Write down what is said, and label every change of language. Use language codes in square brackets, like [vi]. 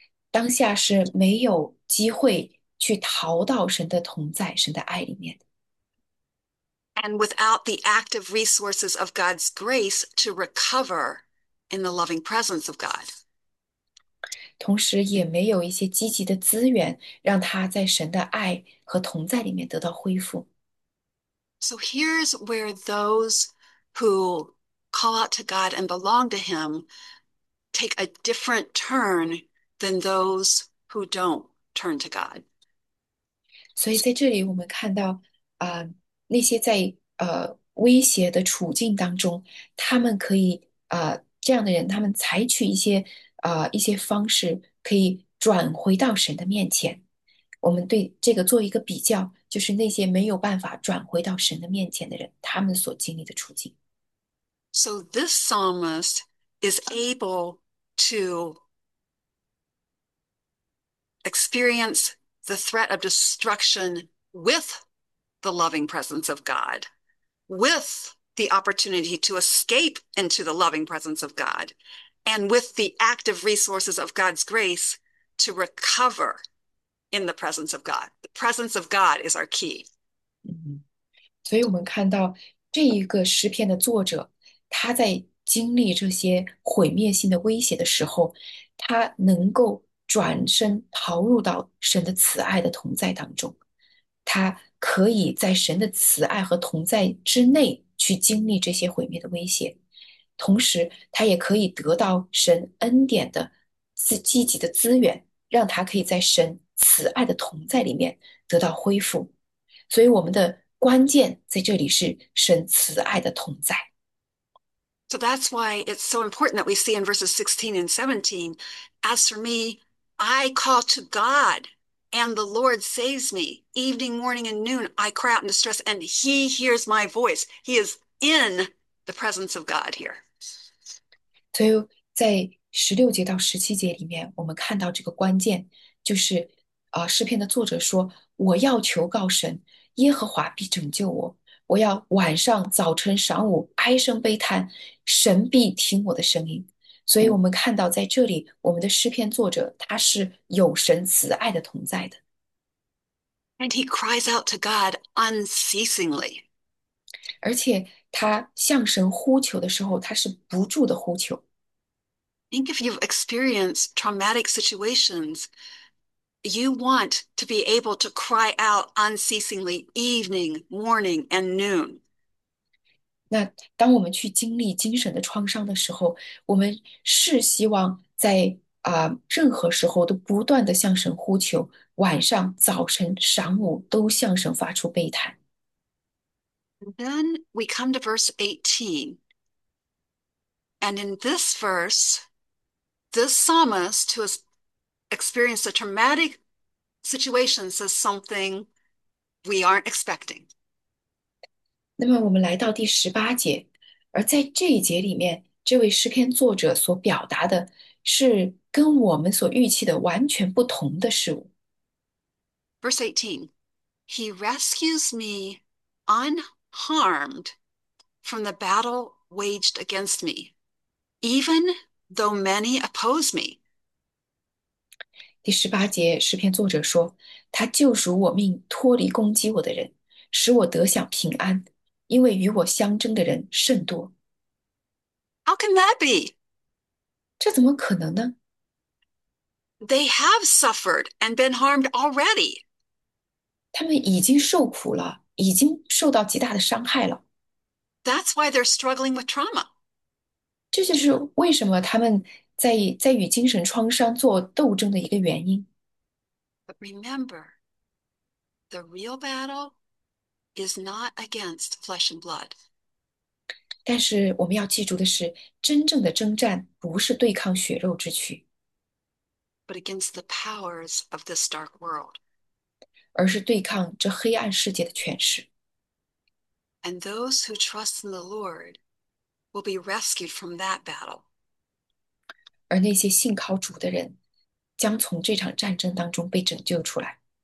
[zh] 当下是没有机会去逃到神的同在、神的爱里面的。 [en] And without the active resources of God's grace to recover in the loving presence of God. [zh] 同时，也没有一些积极的资源让他在神的爱和同在里面得到恢复。 [en] So here's where those who call out to God and belong to Him, take a different turn than those who don't turn to God. [zh] 所以在这里，我们看到，那些在威胁的处境当中，他们可以这样的人，他们采取一些方式可以转回到神的面前。我们对这个做一个比较，就是那些没有办法转回到神的面前的人，他们所经历的处境。 [en] So this psalmist is able to experience the threat of destruction with the loving presence of God, with the opportunity to escape into the loving presence of God, and with the active resources of God's grace to recover in the presence of God. The presence of God is our key. [zh] 所以我们看到这一个诗篇的作者，他在经历这些毁灭性的威胁的时候，他能够转身逃入到神的慈爱的同在当中，他可以在神的慈爱和同在之内去经历这些毁灭的威胁，同时他也可以得到神恩典的积极的资源，让他可以在神慈爱的同在里面得到恢复。所以我们的关键在这里是神慈爱的同在。 [en] So that's why it's so important that we see in verses 16 and 17, as for me, I call to God And the Lord saves me. Evening, morning, and noon, I cry out in distress, and He hears my voice. He is in the presence of God here. [zh] 所以在16节到17节里面，我们看到这个关键，就是诗篇的作者说：“我要求告神，耶和华必拯救我。我要晚上、早晨、晌午哀声悲叹，神必听我的声音。” 所以，我们看到在这里，我们的诗篇作者他是有神慈爱的同在的。 [en] And he cries out to God unceasingly. [zh] 而且他向神呼求的时候，他是不住的呼求。 [en] Think if you've experienced traumatic situations, you want to be able to cry out unceasingly, evening, morning, and noon. [zh] 那当我们去经历精神的创伤的时候，我们是希望在任何时候都不断的向神呼求，晚上、早晨、晌午都向神发出悲叹。 [en] Then we come to verse 18. And in this verse, this psalmist who has experienced a traumatic situation says something we aren't expecting. [zh] 那么我们来到第18节，而在这一节里面，这位诗篇作者所表达的是跟我们所预期的完全不同的事物。 [en] Verse 18. He rescues me on harmed from the battle waged against me, even though many oppose me. [zh] 第18节，诗篇作者说：“他救赎我命，脱离攻击我的人，使我得享平安。” 因为与我相争的人甚多， [en] How can that be? [zh] 这怎么可能呢？ [en] They have suffered and been harmed already. [zh] 他们已经受苦了，已经受到极大的伤害了。 [en] That's why they're struggling with trauma. [zh] 这就是为什么他们在与精神创伤做斗争的一个原因。 [en] But remember, the real battle is not against flesh and blood. [zh] 但是我们要记住的是，真正的征战不是对抗血肉之躯， [en] But against the powers of this dark world. [zh] 而是对抗这黑暗世界的权势。 [en] And those who trust in the Lord will be rescued from that battle. [zh] 而那些信靠主的人，将从这场战争当中被拯救出来。